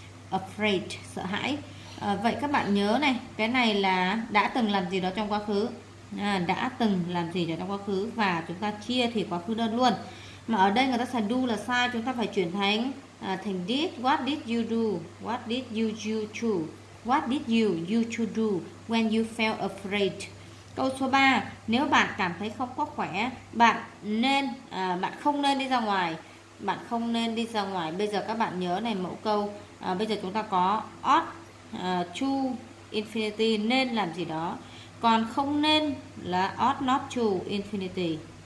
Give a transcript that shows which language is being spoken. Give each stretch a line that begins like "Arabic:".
Vietnamese: Afraid, sợ hãi. Vậy các bạn nhớ này, cái này là đã từng làm gì đó trong quá khứ. Đã từng làm gì đó trong quá khứ. Và chúng ta chia thì quá khứ đơn luôn. Mà ở đây người ta sẽ do là sai. Chúng ta phải chuyển thành thành did.
English: What did you do? What did you do to? What did you to do when you felt afraid?
Vietnamese: Câu số 3. Nếu bạn cảm thấy không có khỏe, bạn nên bạn không nên đi ra ngoài. Bạn không nên đi ra ngoài. Bây giờ các bạn nhớ này, mẫu câu bây giờ chúng ta có
English: ought to infinity,
Vietnamese: nên làm gì đó, còn không nên là
English: ought not to infinity.